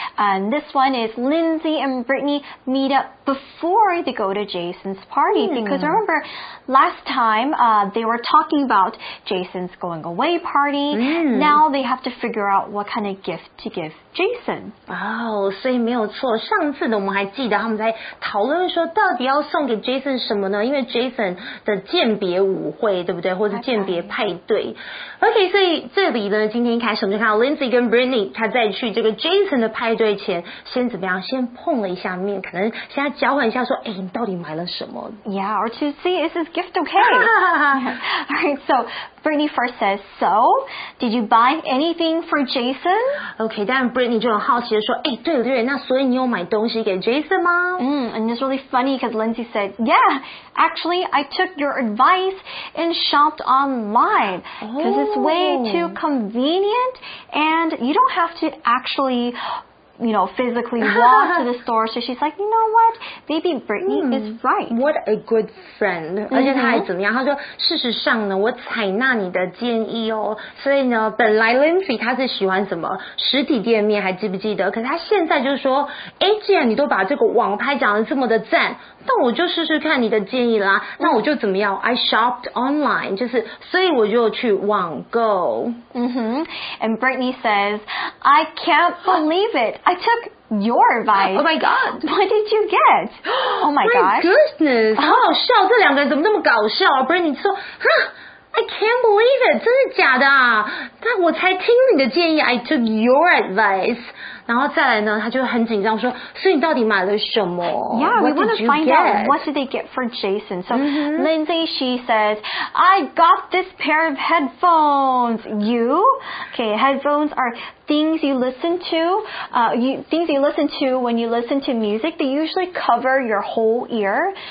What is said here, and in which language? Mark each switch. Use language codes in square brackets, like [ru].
[en] And this one is Lindsay and Brittany meet up before they go to Jason's party. Mm. Because remember, last time, they were talking about Jason's going away party. Mm. Now they have to figure out what kind of gift to give Jason. [zh] Oh, 所以没有错。上次呢，我们还记得他们在讨论说到底要送给 Jason 什么呢？因为 Jason 的鉴别舞会，对不对？或是鉴别派对。 Okay, 所以这里呢，今天一开始我们就看到 Lindsay 跟 Brittany 他在去这个 Jason 的派对前先怎么样先碰了一下面可能先交换一下说哎，你到底买了什么 [en] Yeah, or to see is this gift okay? Alright, so Brittany first says So, did you buy anything for Jason? [zh] Okay, 但 Brittany 就很好奇的说哎，对了对了那所以你有买东西给 Jason 吗 [en] And it's really funny because Lindsay said Yeah, actually I took your advice and shopped online because it's way too convenient and you don't have to actually, you know, physically walk to the store. So she's like, you know what? Maybe Brittany is right. What a good friend. [zh] 而且她还怎么样？她说，事实上呢，我采纳你的建议哦。所以呢，本来 Lindsay 她是喜欢什么实体店面，还记不记得？可是她现在就是说，哎，既然你都把这个网拍讲得这么的赞。那我就试试看你的建议啦。那我就怎么样 ？ [en] I shopped online， [zh] 就是所以我就去网购。 [en] And Brittany says, I can't believe it. I took your advice. Oh my god! What did you get? Oh my god! My goodness! [zh] 好好笑，这两个人怎么那么搞笑 ？Brittany 说，哈 ， [en] I can't believe it， [zh] 真的假的啊？那我才听你的建议 ， [en] I took your advice。 [zh] 然后再来呢，他就很紧张说，所以你到底买了什么 [en] ？Yeah, we want to find out what did they get for Jason. So、Lindsay, she says, I got this pair of headphones. You? Okay, headphones are things you listen to. Things you listen to when you listen to music. They usually cover your whole ear.